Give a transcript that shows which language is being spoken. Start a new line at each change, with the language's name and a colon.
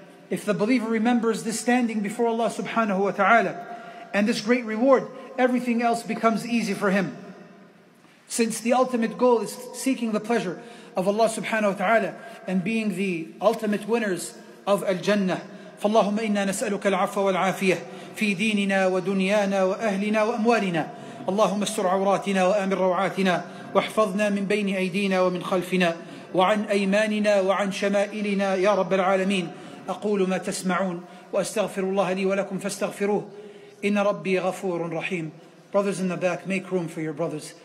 English: If the believer remembers this standing before Allah subhanahu wa ta'ala and this great reward, everything else becomes easy for him, since the ultimate goal is seeking the pleasure of Allah subhanahu wa ta'ala and being the ultimate winners of Al-Jannah.
Arabic: فاللهم إنا نسألك العفو والعافية في ديننا ودنيانا وأهلنا وأموالنا. اللهم استر عوراتنا وآمن روعاتنا، واحفظنا من بين أيدينا ومن خلفنا وعن أيماننا وعن شمائلنا يا رب العالمين. أقول ما تسمعون وأستغفر الله لي ولكم فاستغفروه إن ربي غفور رحيم.
English: Brothers in the back, make room for your brothers.